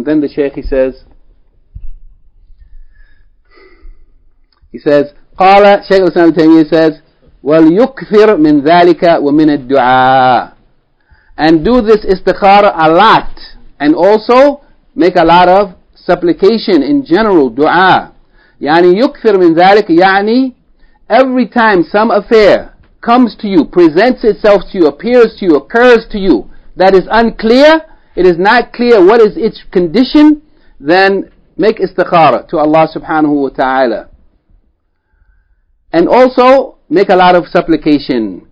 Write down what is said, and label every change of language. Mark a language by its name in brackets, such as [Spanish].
[English] And then the Shaykh, he says, قَالَ Shaykh al-Islam al-Taymiyyah says, [Arabic] وَلْيُكْثِرْ مِنْ ذَلِكَ وَمِنَ الدُّعَاءِ. [English] And do this istikhara a lot, and also make a lot of supplication in general, dua. [Arabic] يعني يُكْثِرْ مِنْ ذَلِكَ, يعني [English] every time some affair comes to you, presents itself to you, appears to you, occurs to you, that is unclear, it is not clear what is its condition, then make istikhara to Allah subhanahu wa ta'ala. And also, make a lot of supplication.